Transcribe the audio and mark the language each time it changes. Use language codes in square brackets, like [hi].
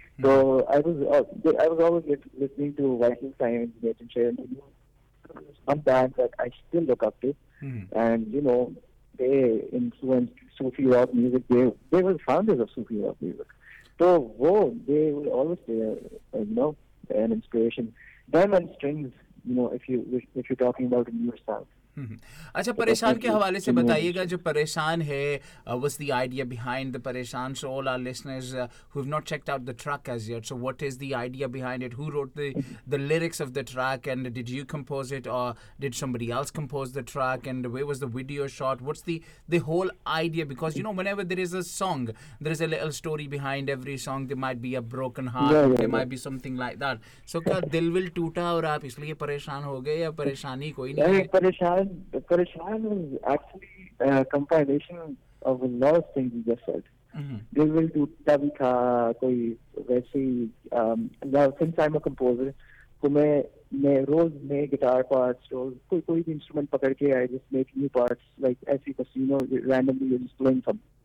[en] So I was always listening to Rising Signs, Nathan Cher, and some bands that I still look up to, and you know. They influenced Sufi rock music. They were the founders of Sufi rock music. So, they were always there, you know, an inspiration. Diamond Strings, you know, if you're talking about a new sound. [ur] अच्छा परेशान के हवाले से बताइएगा जो परेशान है [en] what's the idea behind the परेशान so all our listeners who have not checked out the track as yet so what is the idea behind it who wrote the lyrics of the track and did you compose it or did somebody else compose the track and where was the video shot what's the whole idea because you know whenever there is a song there is a little story behind every song there might be a broken heart there might be something like that so [ur] क्या दिल will टूटा और आप इसलिए परेशान हो गए या परेशानी कोई नहीं [en] Parishan is actually a compilation of a lot of things you just said. They will do [ur] tabi tha, koi vaisi. [en] Now, since I'm a composer, so [ur] main roz main [en] guitar parts, or [ur] koi bhi instrument pakad ke, [en] I just make new parts, like [ur] aise kuch, [en] you know, randomly you're just playing some.